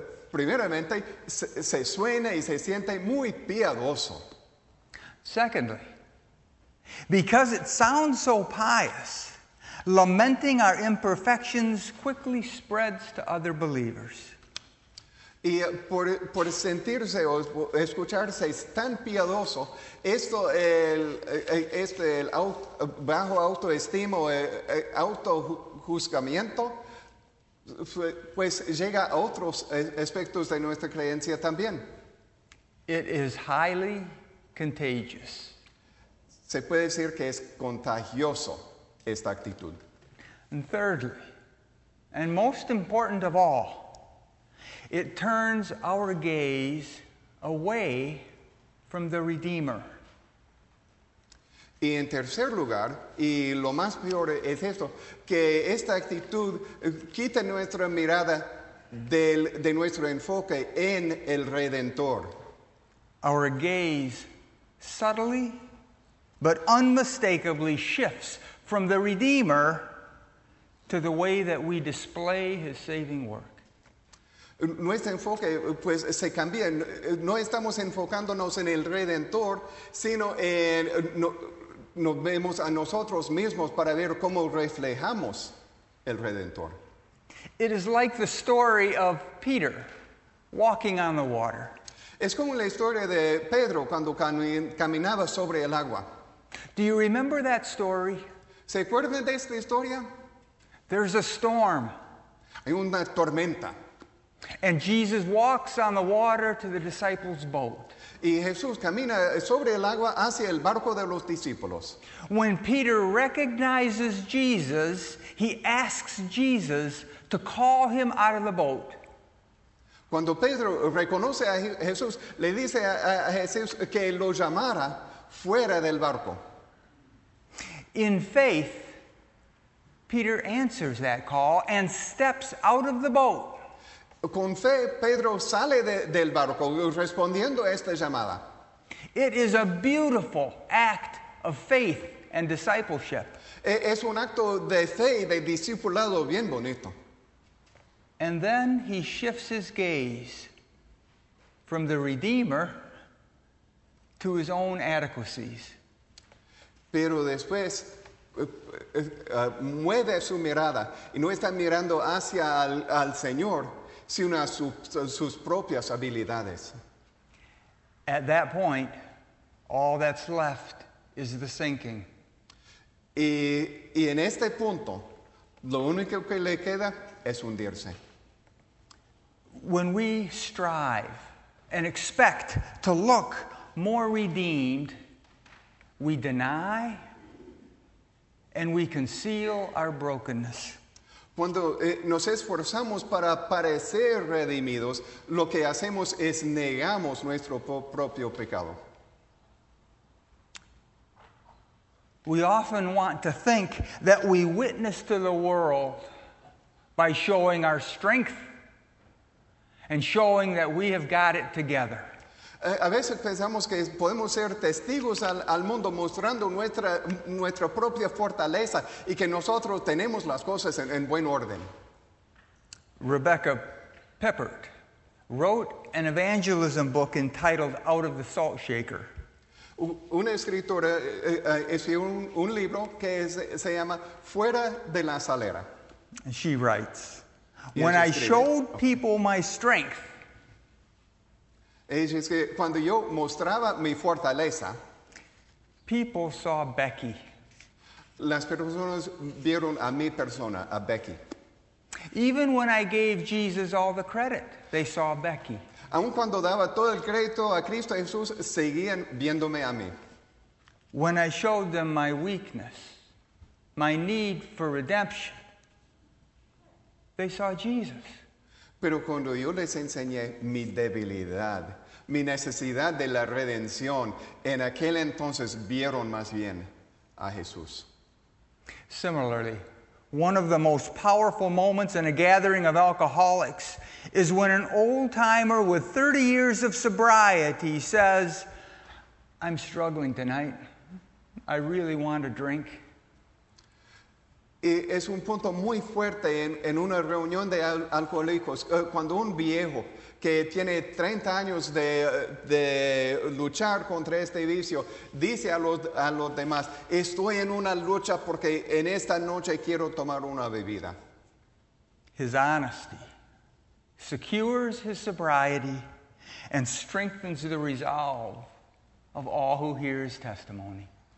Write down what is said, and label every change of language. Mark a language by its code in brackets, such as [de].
[es] Primeramente, se suena y se siente muy piadoso. [en] Secondly, because it sounds so pious, lamenting our imperfections quickly spreads to other believers. [es] Y por sentirse o escucharse tan piadoso, esto el bajo autoestima, autojuzgamiento, pues llega a otros aspectos de nuestra creencia también. [en] It is highly contagious. [es] Se puede decir que es contagioso esta actitud. [en] And thirdly, and most important of all, it turns our gaze away from the Redeemer. [es] Y en tercer lugar, y lo más peor es esto, que esta actitud quita nuestra mirada de nuestro enfoque en el Redentor. [en] Our gaze subtly but unmistakably shifts from the Redeemer to the way that we display his saving work. [es] Nuestro enfoque pues se cambia, no estamos enfocándonos en el Redentor, sino en nos vemos a nosotros mismos para ver cómo reflejamos el Redentor. [en] It is like the story of Peter walking on the water. [es] Es como la historia de Pedro cuando caminaba sobre el agua. [en] Do you remember that story? [es] ¿Se acuerdan de esta historia? [en] There's a storm. [es] Hay una tormenta. [en] And Jesus walks on the water to the disciples' boat. [es] Y Jesús camina sobre el agua hacia el barco de los discípulos. [en] When Peter recognizes Jesus, he asks Jesus to call him out of the boat. [es] Cuando Pedro reconoce a Jesús, le dice a Jesús que lo llamara fuera del barco. [en] In faith, Peter answers that call and steps out of the boat. [es] Con fe, Pedro sale del barco respondiendo a esta llamada. [en] It is a beautiful act of faith and discipleship. [es] Es un acto de fe y de discipulado bien bonito. [en] And then he shifts his gaze from the Redeemer to his own adequacies. [es] Pero después mueve su mirada y no está mirando hacia al Señor, sino a sus propias habilidades. [en] At that point, All that's left is the sinking. [es] Y en este punto, lo único que le queda es hundirse. [en] When we strive and expect to look more redeemed, we deny and we conceal our brokenness. [es] Cuando nos esforzamos para parecer redimidos, lo que hacemos es negamos nuestro propio pecado. [en] We often want to think that we witness to the world by showing our strength and showing that we have got it together. [es] A veces pensamos que podemos ser testigos al mundo mostrando nuestra propia fortaleza y que nosotros tenemos las cosas en buen orden. [en] Rebecca Peppert wrote an evangelism book entitled Out of the Salt Shaker. [es] Una escritora escribió un libro que se llama Fuera de la Salera. [en] And she writes, when I showed people my strength, [es] ella dice, cuando yo mostraba mi fortaleza, [en] people saw Becky. [es] Las personas vieron a mi persona, a Becky. [en] Even when I gave Jesus all the credit, they saw Becky. [es] Aun cuando daba todo el crédito a Cristo Jesús, seguían viéndome a mí. [en] When I showed them my weakness, my need for redemption, they saw Jesus. [es] Pero cuando yo les enseñé mi debilidad, mi necesidad de la redención, en aquel entonces vieron más bien a Jesús. [en] Similarly, one of the most powerful moments in a gathering of alcoholics is when an old-timer with 30 years of sobriety says, I'm struggling tonight. I really want a drink. [es] Es un punto muy fuerte en una reunión de alcohólicos cuando un viejo que tiene 30 años de luchar contra este vicio dice a los demás, estoy en una lucha porque en esta noche quiero tomar una bebida. [en] His honesty secures his sobriety and strengthens the resolve of all who hear his testimony.